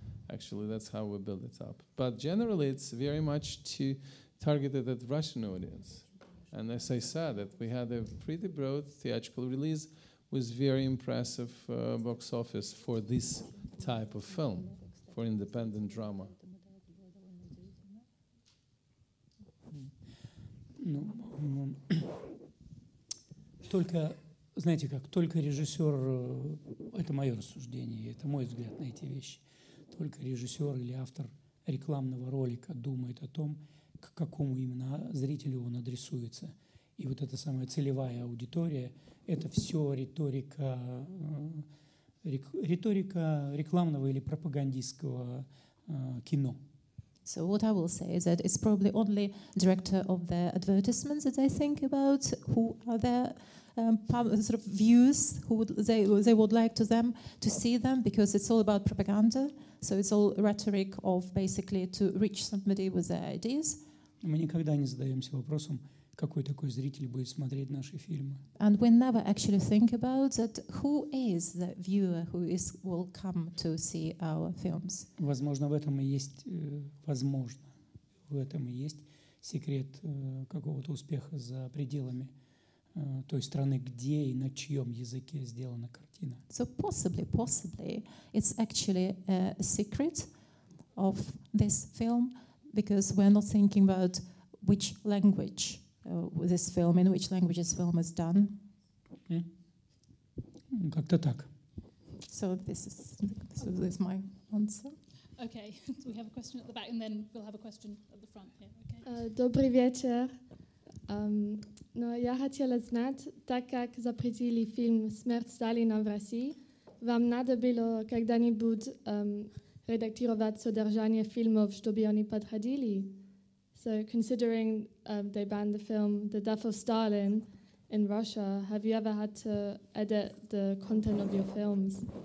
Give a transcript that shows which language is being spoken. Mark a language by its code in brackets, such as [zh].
[en] Actually, that's how we build it up. But generally, it's very much targeted at Russian audience. And as I said, that we had a pretty broad theatrical release with very impressive box office for this type of film, for independent drama. [ru] Ну, только, знаете как, только режиссер, это мое рассуждение, это мой взгляд на эти вещи, только режиссер или автор рекламного ролика думает о том, к какому именно зрителю он адресуется. И вот эта самая целевая аудитория, это все риторика рекламного или пропагандистского кино. [en] So what I will say is that it's probably only director of the advertisements that they think about, who are their sort of views, who would they would like to them to see them, because it's all about propaganda. So it's all rhetoric of basically to reach somebody with their ideas. [ru] Мы никогда не задаемся вопросом, какой такой зритель будет смотреть наши фильмы. [en] And we never actually think about that, who is the viewer who is will come to see our films. [ru] Возможно, в этом и есть, возможно, в этом и есть секрет какого-то успеха за пределами той страны, где и на чьем языке сделана картина. [en] So possibly, it's actually a secret of this film, because we're not thinking about which language this film, in which language this film is done. [ru] Mm. Как-то так. [en] So this is my answer. Okay, so we have a question at the back, and then we'll have a question at the front here. Okay. [ru] Добрый вечер. Но я хотела знать, так как запретили фильм «Смерть Сталина в России», вам надо было когда-нибудь редактировать содержание фильмов, чтобы они подходили? [en] So considering they banned the film The Death of Stalin in Russia, have you ever had to edit the content of your films?